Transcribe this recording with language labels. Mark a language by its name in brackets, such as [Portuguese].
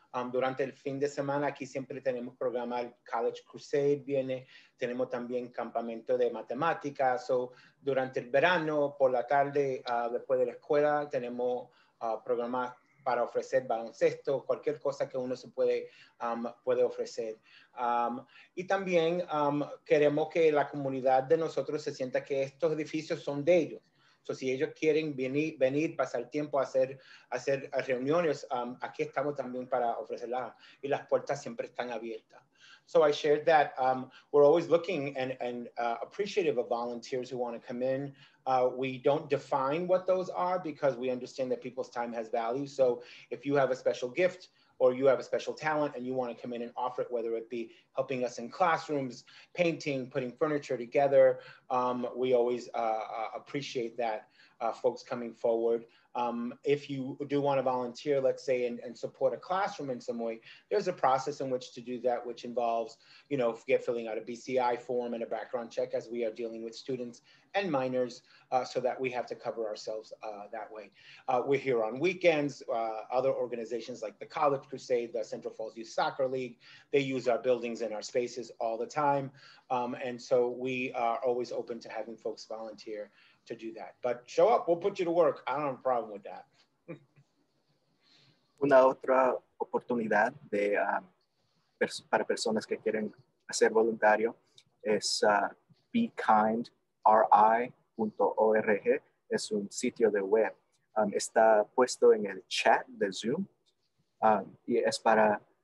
[Spanish] Durante el fin de semana, aquí siempre tenemos programa, el College Crusade viene, tenemos también campamento de matemáticas, so, durante el verano, por la tarde, después de la escuela, tenemos programas para ofrecer baloncesto, cualquier cosa que uno se puede ofrecer. Y también queremos que la comunidad de nosotros se sienta que estos edificios son de ellos. So, si ellos quieren venir, pasar tiempo, hacer reuniones, aquí estamos también para ofrecerlas. Y las puertas siempre están abiertas. [English] So I shared that we're always looking and appreciative of volunteers who want to come in. We don't define what those are because we understand that people's time has value. So if you have a special gift or you have a special talent and you want to come in and offer it, whether it be helping us in classrooms, painting, putting furniture together, we always appreciate that folks coming forward. If you do want to volunteer, let's say, and support a classroom in some way, there's a process in which to do that, which involves, you know, filling out a BCI form and a background check as we are dealing with students and minors, so that we have to cover ourselves that way. We're here on weekends. Other organizations like the College Crusade, the Central Falls Youth Soccer League, they use our buildings and our spaces all the time. And so we are always open to having folks volunteer to do that, but show up, we'll put you to work. I don't have a problem with that. [Spanish] Una otra oportunidad de para personas que quieren hacer voluntario es bekindri.org. Es un sitio de web. Está puesto en el chat de Zoom, y es para